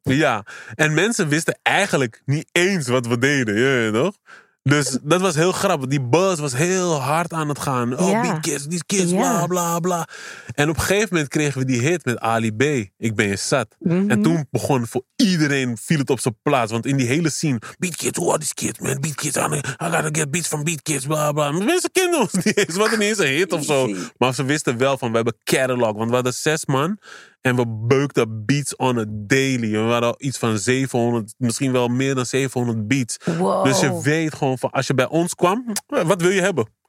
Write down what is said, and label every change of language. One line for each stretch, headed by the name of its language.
Dutch: Ja, en mensen wisten eigenlijk niet eens wat we deden. Je weet toch? Dus dat was heel grappig. Die buzz was heel hard aan het gaan.
English: Oh, yeah. Beat kids, these kids, yeah.
Dutch: Bla, bla, bla. En op een gegeven moment kregen we die hit met Ali B. Ik ben je zat. Mm-hmm. En toen begon voor iedereen, viel het op zijn plaats. Want in die hele scene, beat kids,
English: who are these kids, man? Beat kids, I gotta get beats from beat kids, bla, bla.
Dutch: Mensen kenden ons niet eens. Wat ineens een hit of zo. Maar ze wisten wel van, we hebben catalog. Want we hadden 6 man. En we beukten beats
English: on a daily.
Dutch: We waren al iets van 700, misschien wel meer dan 700 beats. Wow. Dus je weet gewoon van, als je bij ons kwam, wat wil je hebben?